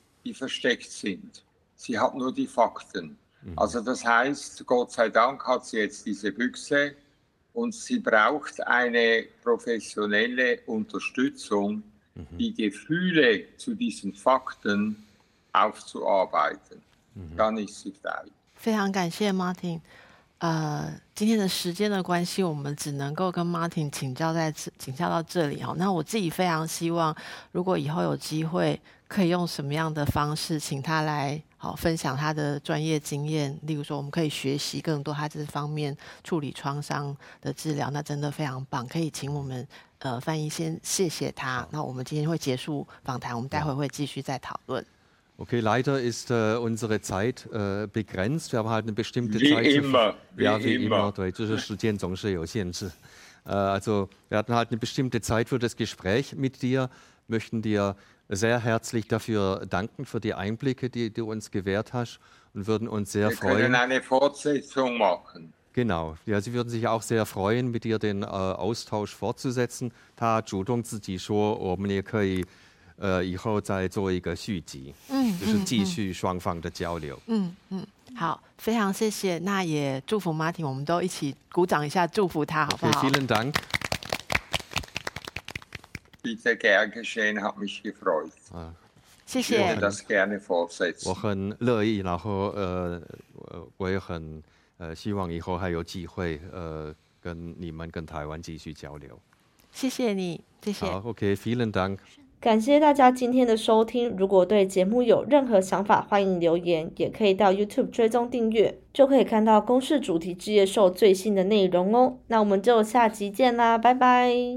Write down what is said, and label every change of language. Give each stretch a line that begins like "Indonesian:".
German: die versteckt sind. Sie hat nur die Fakten. Mhm. Also das heißt, Gott sei Dank hat sie jetzt diese Büchse und sie braucht eine professionelle Unterstützung, mhm, die Gefühle zu diesen Fakten aufzuarbeiten. Mhm. Dann ist sie frei.
Chinese: 非常感谢 Martin。今天的时间的关系，我们只能够跟 Martin 请教到这里。那我自己非常希望，如果以后有机会，可以用什么样的方式请他来分享他的专业经验，例如说我们可以学习更多他这方面处理创伤的治疗，那真的非常棒。可以请我们翻译先谢谢他。那我们今天会结束访谈，我们待会会继续再讨论。
German: Okay, leider ist unsere Zeit begrenzt. Wir haben halt eine bestimmte Zeit. Wie immer. Ja, wie immer. Also wir hatten halt eine bestimmte Zeit für das Gespräch mit dir. Möchten dir sehr herzlich dafür danken, für die Einblicke, die du uns gewährt hast. Und würden uns sehr freuen. Wir können eine Fortsetzung machen. Genau. Ja, sie würden sich auch sehr freuen, mit dir den Austausch fortzusetzen. Da Zhudong Zi Ji Shuo, oben ihr Kei.
Chinese: 以后再做一个续集，就是继续双方的交流。好，非常谢谢，那也祝福 Martin， 我们都一起鼓掌一下，祝福他，好不好
German: ？Vielen Dank. Bitte gern geschehen, hat mich gefreut.
Chinese: 谢谢。
German: Würde das gerne fortsetzen.
Chinese: 我很乐意，然后我也很希望以后还有机会跟你们跟台湾继续交流。谢谢你，谢谢。好
German: ，OK, vielen Dank.
Chinese: 感谢大家今天的收听，如果对节目有任何想法，欢迎留言，也可以到 YouTube 追踪订阅，就可以看到公视主题之夜秀最新的内容哦。那我们就下集见啦，拜拜。